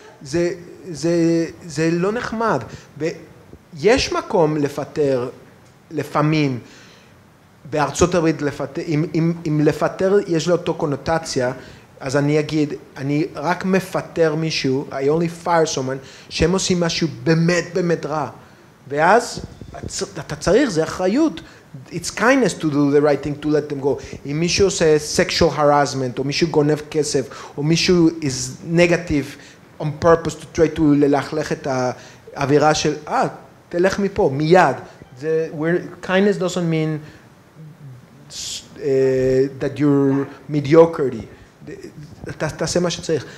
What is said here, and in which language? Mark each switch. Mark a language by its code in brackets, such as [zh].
[he] זה זה זה לא נחמד. ויש מקום לפטר לפעמים בארצות הברית, לפטר, אם לפטר יש לו אותו קונוטציה, אז אני אגיד, אני רק מפטר מישהו, [en] I only fire someone, [he] שהם עושים משהו באמת באמת רע. ואז אתה צריך, זה אחריות. [en] It's kindness to do the right thing, to let them go. [he] אם מישהו עושה [en] sexual harassment, [he] או מישהו גונב כסף, או מישהו [en] is negative on purpose to try to [he] ללכלך את האווירה של, תלך מפה, מיד. [en] The, kindness doesn't mean that you're mediocrity. [he] תעשה מה שצריך.